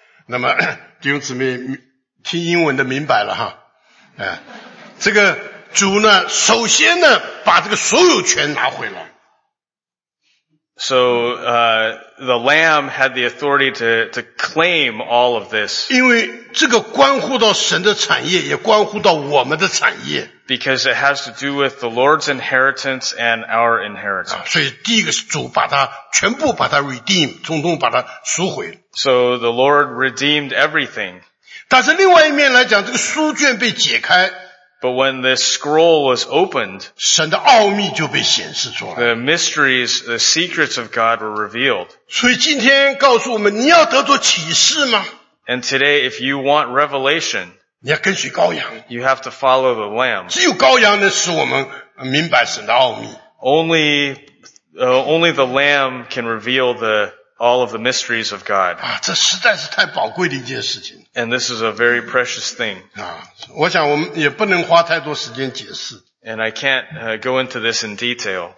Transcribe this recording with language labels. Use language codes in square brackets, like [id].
[zh] 那么弟兄姊妹听英文的明白了哈，这个主呢首先呢把这个所有权拿回来。 [en] So, the lamb had the authority to claim all of this. [zh] 因为这个关乎到神的产业，也关乎到我们的产业。 [en] Because it has to do with the Lord's inheritance and our inheritance. [zh] 所以第一个是主把它全部把它 redeem, 统统把它赎回。 [en] So the Lord redeemed everything. [zh] 但是另外一面来讲，这个书卷被解开。 [en] But when this scroll was opened, [zh] 神的奥秘就被显示出来。 [en] The mysteries, the secrets of God were revealed. [zh] 所以今天告诉我们，你要得到启示吗？ [en] And today, if you want revelation, [zh] 你要跟随羔羊。 [en] You have to follow the lamb. [zh] 只有羔羊能使我们明白神的奥秘。 [en] Only the lamb can reveal all of the mysteries of God. [zh] 啊，这实在是太宝贵的一件事情。 [en] And this is a very precious thing. [zh] 啊，我想我们也不能花太多时间解释。 [en] And I can't, go into this in detail.